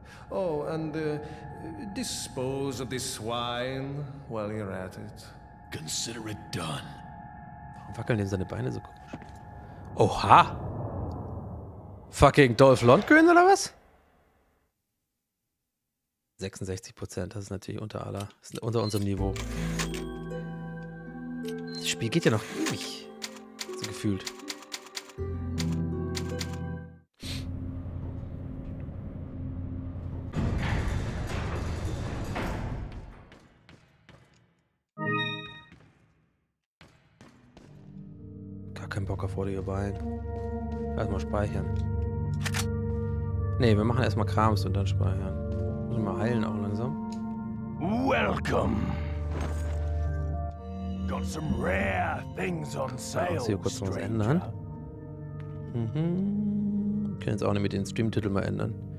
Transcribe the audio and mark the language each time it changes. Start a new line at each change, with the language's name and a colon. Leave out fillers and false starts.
English: Oh, and dispose of this swine while you're at it. Consider it done.
German: Warum wackeln denn seine Beine so komisch? Oha! Fucking Dolph Lundgren oder was? 66%, das ist natürlich unter unserem Niveau. Das Spiel geht ja noch ewig. So gefühlt. Kein Bock auf vorige Wahlen. Erstmal speichern. Nee, wir machen erstmal Krams und dann speichern. Müssen wir heilen auch langsam.
English: Welcome! got some rare things on sale.
German: Also, hier kurz was ändern. Mhm. Können jetzt auch nicht mit den Streamtitel mal ändern.